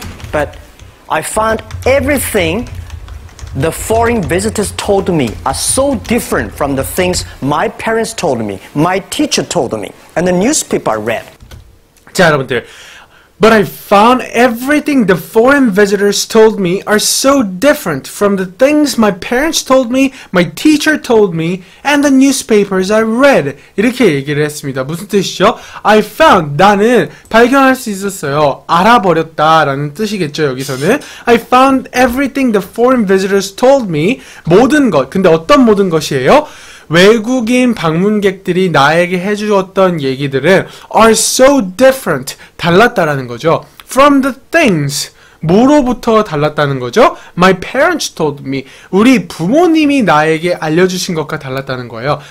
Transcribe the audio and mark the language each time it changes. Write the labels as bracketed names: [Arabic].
[English] But I found everything the foreign visitors told me are so different from the things my parents told me, my teacher told me, and the newspaper I read. [Korean] 자, 여러분들. [English] But I found everything the foreign visitors told me are so different from the things my parents told me, my teacher told me, and the newspapers I read. [Korean] 이렇게 얘기를 했습니다. 무슨 뜻이죠? [English] I found, [Korean] 나는 발견할 수 있었어요. 알아버렸다 라는 뜻이겠죠, 여기서는. [English] I found everything the foreign visitors told me. [Korean] 모든 것, 근데 어떤 모든 것이에요? 외국인 방문객들이 나에게 해주었던 얘기들은 [English] are so different, [Korean] 달랐다라는 거죠. [English] From the things, [Korean] 뭐로부터 달랐다는 거죠? [English] My parents told me, [Korean] 우리 부모님이 나에게 알려주신 것과 달랐다는 거예요.